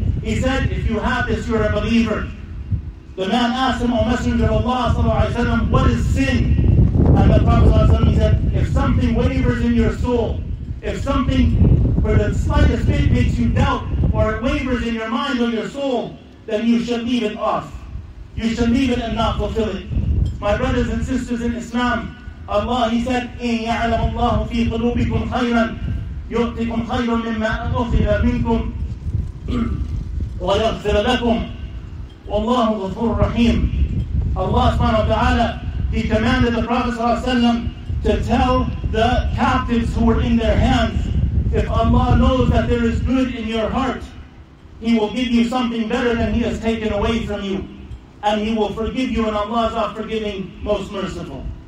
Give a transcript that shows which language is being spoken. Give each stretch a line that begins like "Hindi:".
English: He said, if you have this, you're a believer. The man asked him, O Messenger of Allah, sallallahu alayhi wa sallam, what is sin? And the Prophet sallallahu alayhi wa sallam, he said, if something wavers in your soul, if something for the slightest bit makes you doubt, or it wavers in your mind or your soul, then you should leave it off. You should leave it and not fulfill it. My brothers and sisters in Islam, Allah, he said,
Arabic: إِن يَعْلَمُ اللَّهُ فِي قُلُوبِكُمْ خَيْرًا يُؤْتِكُمْ خَيْرًا مِمَّا أُخِذَ مِنْكُمْ وَيَغْفِرَ لَكُمْ وَاللَّهُ غَفُورٌ رَحِيمٌ.
English: Allah subhanahu wa ta'ala, he commanded the Prophet sallallahu alayhi wa sallam to tell the captives who were in their hands, if Allah knows that there is good in your heart, he will give you something better than he has taken away from you. And he will forgive you, and Allah is all forgiving, most merciful.